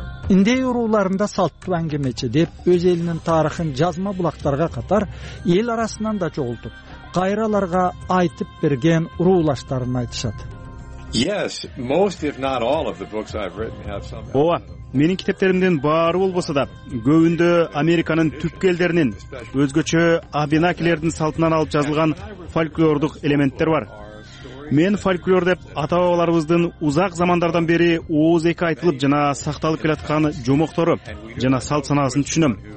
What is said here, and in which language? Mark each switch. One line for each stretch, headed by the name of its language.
Kyrgyz: Индей урууларында салттуу аңгемечи деп өз элинин тарыхын жазма булактарга катар эл арасынан да чогултуп, кайраларга айтып берген урууларын айтышат.
English: Yes, most if not all of the books I've written have some.
Kyrgyz: Ооба, менин китептеримдин баары болбосо да, көбүндө Американын түпкөлдөрүнүн өзгөчө абинакилердин салтынан алып жазылган фольклордук элементтер бар. Мен фольклор деп ата бабаларыбыздын узак замандардан бери ооз эки айтылып жана сакталып келаткан жомоктору жана салт санаасын түшүнөм.